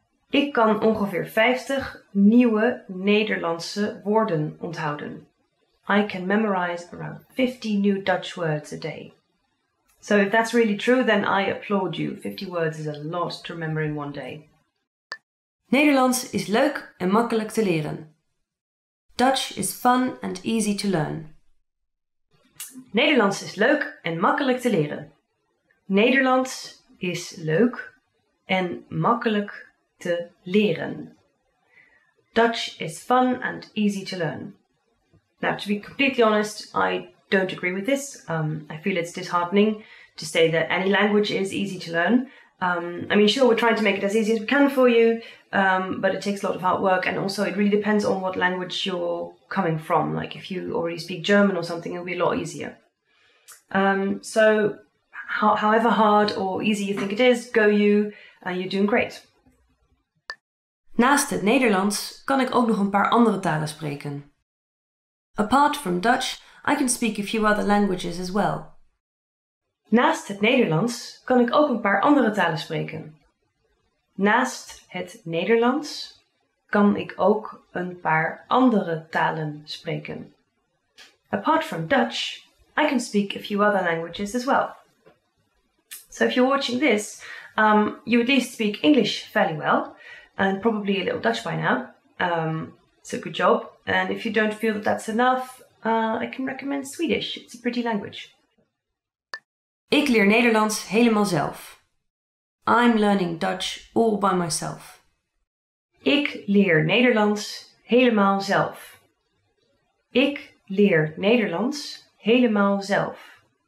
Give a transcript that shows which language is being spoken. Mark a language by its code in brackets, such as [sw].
[nl] Ik kan ongeveer 50 nieuwe Nederlandse woorden onthouden. [en] I can memorize around 50 new Dutch words a day. So if that's really true, then I applaud you. 50 words is a lot to remember in 1 day. [nl] Nederlands is leuk en makkelijk te leren. [en] Dutch is fun and easy to learn. [nl] Nederlands is leuk en makkelijk te leren. Nederlands is leuk en makkelijk te leren. [en] Dutch is fun and easy to learn. Now, to be completely honest, I don't agree with this. I feel it's disheartening to say that any language is easy to learn. I mean, sure, we're trying to make it as easy as we can for you, but it takes a lot of hard work, and also it really depends on what language you're coming from. Like, if you already speak German or something, it'll be a lot easier. However hard or easy you think it is, go you, and you're doing great. [nl] Naast het Nederlands kan ik ook nog een paar andere talen spreken. [en] Apart from Dutch, I can speak a few other languages as well. [nl] Naast het Nederlands kan ik ook een paar andere talen spreken. Naast het Nederlands kan ik ook een paar andere talen spreken. [en] Apart from Dutch, I can speak a few other languages as well. So if you're watching this, you at least speak English fairly well. and probably a little Dutch by now. So good job. And if you don't feel that that's enough, I can recommend Swedish. It's a pretty language. [nl] Ik leer Nederlands helemaal zelf. [en] I'm learning Dutch all by myself. [nl] Ik leer Nederlands helemaal zelf. Ik leer Nederlands helemaal zelf.